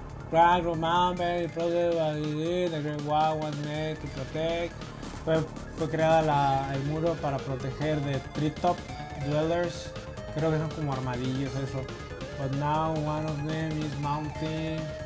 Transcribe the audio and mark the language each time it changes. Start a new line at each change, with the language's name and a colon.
English: Crack, remember, the great wall was made to protect.
Spanish: Fue creada el muro para proteger de
English: treetop dwellers.
Spanish: Creo que son como armadillos, eso.
English: But now one of them is mounting.